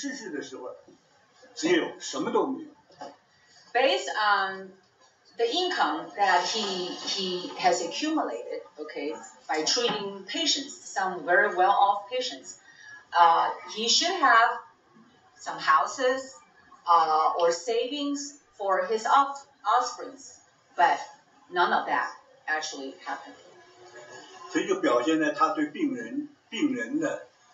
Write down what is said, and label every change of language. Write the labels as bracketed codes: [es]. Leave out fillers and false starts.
[zh] 要按理说的话，他这个职业收入那么高的话，应该是养生活，把生活水平提得很高，起码有自己的房子、自己地，有一笔存款，为子女好。可是他逝世的时候，只有什么都没有。 [en] Based on the income that he has accumulated, okay, by treating patients, some very well-off patients, he should have some houses or savings for his offsprings, but none of that actually happened. [zh] 所以就表现在他对病人的。